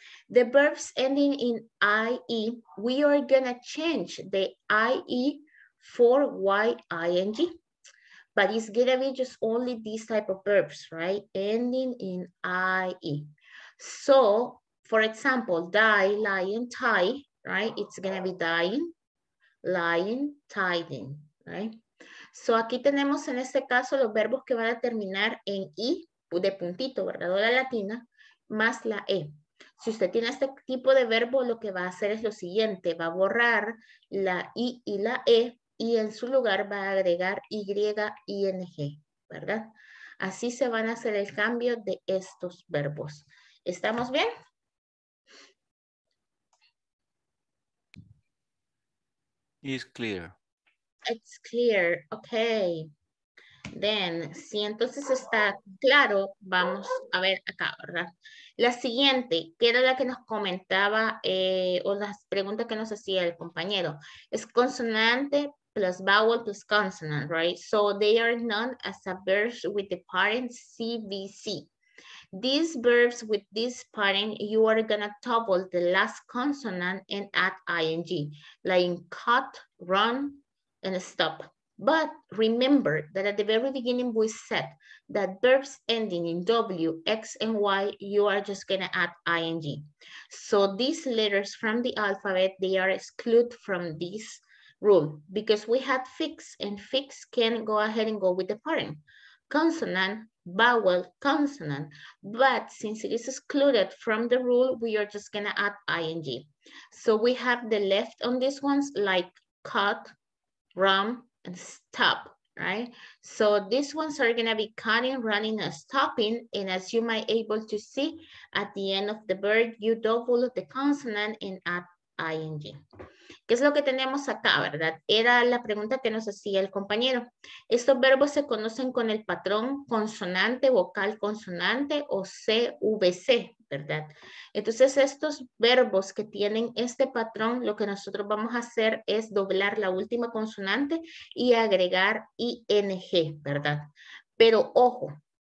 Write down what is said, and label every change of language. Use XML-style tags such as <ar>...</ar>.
<en>The verbs ending in IE, we are going to change the IE for YING. But it's going to be just only these type of verbs, right? Ending in IE. So, for example, die, lying, tie, right? It's going to be dying, lying, tiding, right?</en> <es>So, aquí tenemos en este caso los verbos que van a terminar en I, de puntito, ¿verdad? O la latina, más la E. Si usted tiene este tipo de verbo, lo que va a hacer es lo siguiente. Va a borrar la I y la E. Y en su lugar va a agregar YING, ¿verdad? Así se van a hacer el cambio de estos verbos. ¿Estamos bien?</es> <en>It's clear. It's clear, okay. Then,</en> <es>si entonces está claro, vamos a ver acá, ¿verdad? La siguiente, que era la que nos comentaba, o las preguntas que nos hacía el compañero. Es consonante</es> <en>plus vowel plus consonant, right? So they are known as a verb with the parent CVC. These verbs with this parent, you are gonna double the last consonant and add ing, like cut, run, and stop. But remember that at the very beginning we said that verbs ending in W, X, and Y, you are just gonna add ing. So these letters from the alphabet, they are excluded from this rule, because we had fix, and fix can go ahead and go with the parent. Consonant, vowel, consonant. But since it is excluded from the rule, we are just gonna add ing. So we have the left on these ones, like cut, run, and stop, right? So these ones are gonna be cutting, running, and stopping. And as you might able to see, at the end of the verb, you double the consonant and add ing.</en> <es>¿Qué es lo que tenemos acá, verdad? Era la pregunta que nos hacía el compañero. Estos verbos se conocen con el patrón consonante, vocal, consonante o CVC, ¿verdad? Entonces estos verbos que tienen este patrón, lo que nosotros vamos a hacer es doblar la última consonante y agregar ing, ¿verdad? Pero ojo,</es>